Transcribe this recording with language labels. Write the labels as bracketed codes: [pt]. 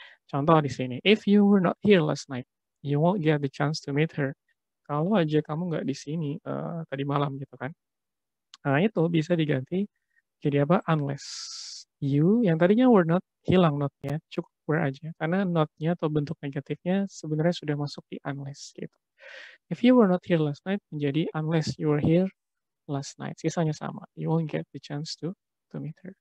[en] Contoh di sini, if you were not here last night, you won't get the chance to meet her. [id] Kalau aja kamu nggak di sini tadi malam gitu kan. Nah itu bisa diganti jadi apa? [en] Unless you, [id] yang tadinya were not, hilang notnya, cukup were aja. Karena notnya atau bentuk negatifnya sebenarnya sudah masuk di unless gitu. [en] If you were not here last night, menjadi unless you were here last night. [id] Sisanya sama. [en] You won't get the chance to meet her.